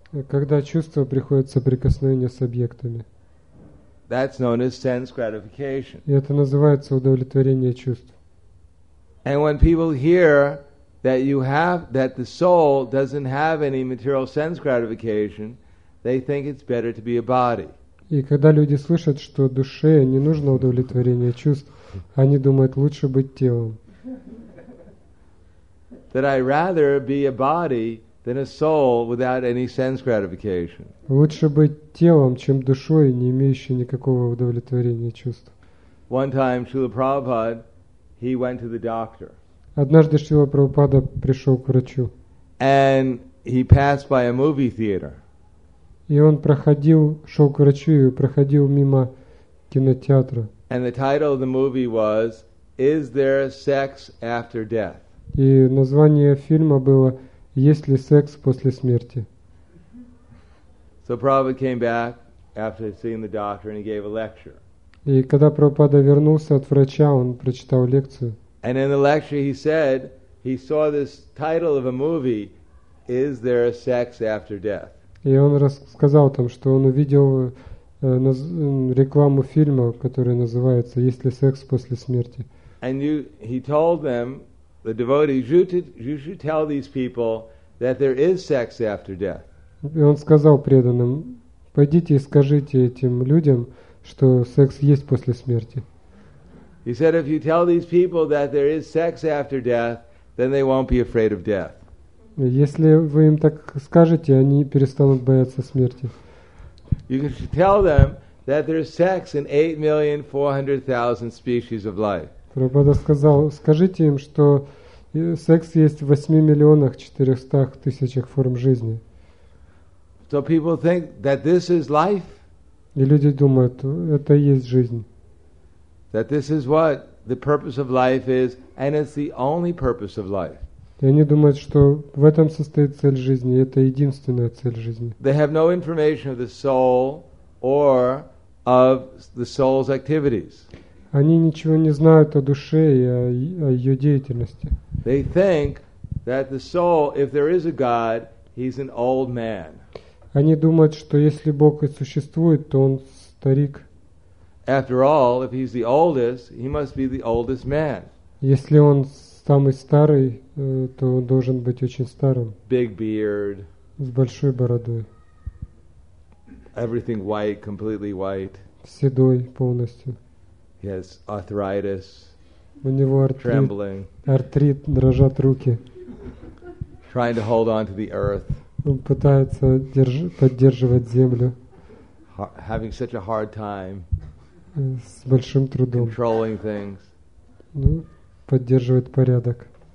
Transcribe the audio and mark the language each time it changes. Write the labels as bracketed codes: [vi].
[ru] Когда чувства приходят в соприкосновение с объектами. [en] That's known as sense gratification. [ru] И это называется удовлетворение чувств. [en] And when people hear that you have that the soul doesn't have any material sense gratification, they think it's better to be a body. [ru] И когда люди слышат, что душе не нужно удовлетворение чувств, они думают, лучше быть телом. [en] That I'd rather be a body than a soul without any sense gratification. [ru] Лучше быть телом, чем душой, не имеющей никакого удовлетворения чувств. [en] One time Srila Prabhupada, he went to the doctor. [ru] Однажды Шрила Прабхупада пришел к врачу. [en] And he passed by a movie theater. [ru] И он проходил, шел к врачу и проходил мимо кинотеатра. [en] And the title of the movie was Is there sex after death? [ru] И название фильма было «Есть ли секс после смерти?» [en] So Prabhupada came back after seeing the doctor and he gave a lecture. [ru] И когда Прабхупада вернулся от врача, он прочитал лекцию. [en] And in the lecture he said he saw this title of a movie, Is There a Sex After Death? [ru] И он рассказал там, что он увидел рекламу фильма, который называется «Есть ли секс после смерти?» [en] And you, he told them, the devotees, you should tell these people that there is sex after death. [ru] И он сказал преданным, пойдите и скажите этим людям, что секс есть после смерти. [en] He said, if you tell these people that there is sex after death, then they won't be afraid of death. [ru] Если вы им так скажете, они перестанут бояться смерти. [en] You should tell them that there's sex in 8,400,000 species of life. [ru] Прабхупада сказал, скажите им, что секс есть в 8,400,000 форм жизни. [en] So people think that this is life. [ru] И люди думают, это и есть жизнь. [en] That this is what the purpose of life is, and it's the only purpose of life. [ru] И они думают, что в этом состоит цель жизни, и это единственная цель жизни. [en] They have no information of the soul or of the soul's activities. [ru] Они ничего не знают о душе и о ее деятельности. [en] They think that the soul, if there is a God, he's an old man. [ru] Они думают, что если Бог и существует, то он старик. [en] After all, if he's the oldest, he must be the oldest man. [ru] Если он самый старый, то он должен быть очень старым. [en] Big beard. [ru] С большой бородой. [en] Everything white, completely white. [ru] Седой полностью. [en] He has arthritis. [ru] У него артрит. [en] Trembling. [ru] Артрит, дрожат руки. [en] Trying to hold on to the earth. [ru] Он пытается поддерживать землю. [en] Having such a hard time. [ru] С большим трудом. [en] Controlling things. [ru] Ну, поддерживает порядок.